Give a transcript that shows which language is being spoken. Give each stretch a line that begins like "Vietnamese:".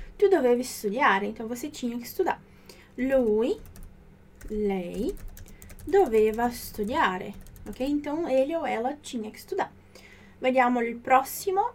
Italian: Tu dovevi studiare,
Portuguese: então você tinha que estudar.
Italian: Lui, lei, doveva studiare, ok?
Portuguese: Então, ele ou ela tinha que estudar.
Italian: Vediamo il prossimo.